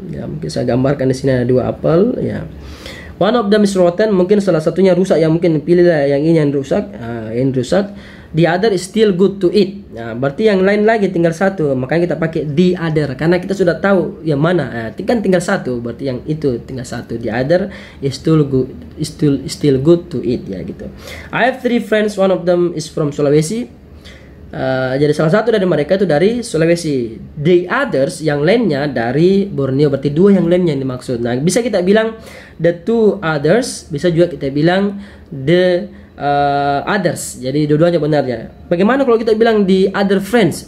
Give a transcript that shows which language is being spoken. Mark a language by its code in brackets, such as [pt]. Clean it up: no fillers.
[id] Ya, mungkin saya gambarkan di sini ada 2 apel ya. [en] One of them is rotten, [id] mungkin salah satunya rusak ya, mungkin pilihlah yang ini yang rusak, yang rusak. [en] The other is still good to eat. [id] Nah, berarti yang lain lagi tinggal satu, makanya kita pakai the other karena kita sudah tahu yang mana. Kan tinggal satu, berarti yang itu tinggal satu. [en] The other is still good to eat ya gitu. I have 3 friends, one of them is from Sulawesi. [id] Jadi salah satu dari mereka itu dari Sulawesi. [en] The others, [id] yang lainnya dari Borneo. Berarti dua yang lainnya yang dimaksud. Nah, bisa kita bilang the two others, bisa juga kita bilang the others. Jadi dua-duanya benar ya. Bagaimana kalau kita bilang the other friends?